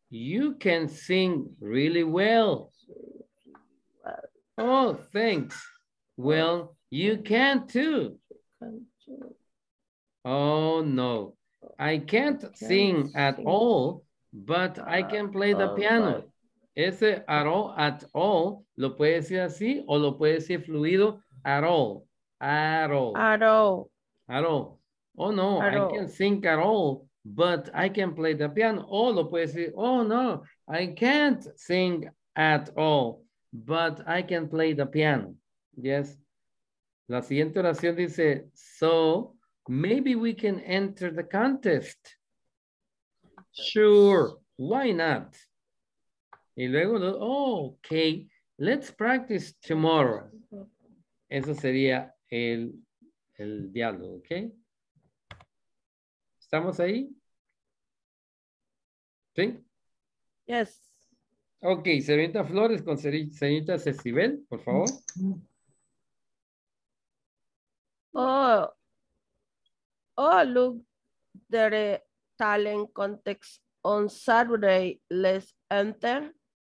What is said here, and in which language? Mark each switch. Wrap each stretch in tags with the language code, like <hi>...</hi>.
<en>You can sing really well. Oh, thanks. Well, you can too. Oh, no. I can't sing at all, but I can play the piano.</en> <es>Ese</es> <en>at all,</en> <es>lo puede decir así o lo puede decir fluido, at all.</es> <en>At all. At all. At all. Oh, no, at I all. Can't sing at all, but I can play the piano.</en> <es>O lo puede decir,</es> <en>oh, no, I can't sing at all, but I can play the piano. Yes.</en> <es>La siguiente oración dice,</es> <en>so maybe we can enter the contest. Sure, why not?</en> <es>Y luego,</es> <en>oh, okay, let's practice tomorrow.</en> <es>Eso sería el diálogo, okay? ¿Estamos ahí? ¿Sí?</es> <en>Yes.</en> <es>Okay, señorita Flores con señorita Cecibel, por favor.</es> <en>Oh, look, there is talent contest on Saturday. Let's enter.</en>